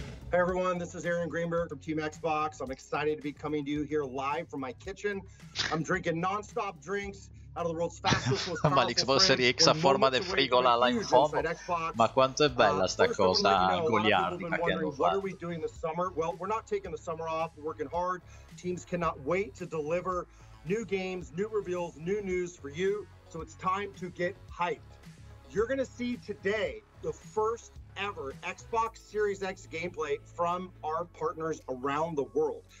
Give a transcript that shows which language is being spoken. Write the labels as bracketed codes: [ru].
[en] Hey everyone, this is Aaron Greenberg from Team Xbox. I'm excited to be coming to you here live from my kitchen. I'm drinking non-stop drinks out of the world's fastest, most powerful fridge. [it] Xbox Series X a forma di frigola là in fondo. Ma quanto è bella sta cosa goliardica che hanno fatto. [en] What are we doing this summer? Well, we're not taking the summer off. We're working hard. Teams cannot wait to deliver new games, new reveals, new news for you. So it's time to get hyped. You're going to see today the first ever Xbox Series X gameplay from our partners around the world.